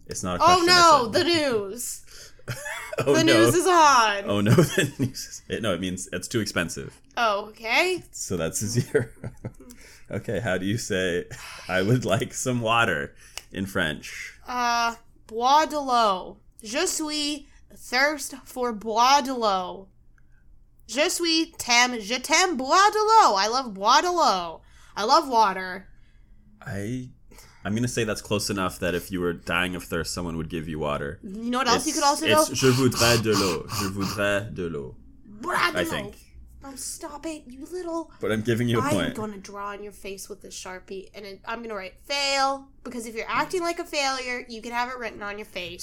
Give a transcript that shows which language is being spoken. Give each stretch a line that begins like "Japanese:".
English: It's not a question. Oh, no. The news. Oh, the no. news is on. Oh no, the news is no, it means it's too expensive. Oh, okay. So that's a zero. Okay, how do you say I would like some water in French?
French: Bois de l'eau. Je suis
English: thirst for
French: bois de l'eau. Je t'aime bois de l'eau.
English: I love
French: bois de l'eau.
English: I love water. I I'm going to say that's close enough that if you were dying of thirst, someone would give you water. You know what else you could also go?
French: Je voudrais de l'eau. Je voudrais de l'eau.
English: I think. Oh, stop it, you little... But I'm giving you a point. I'm going to draw on your face with a Sharpie, and I'm going to write fail, because if you're acting like a failure, you can have it written on your face.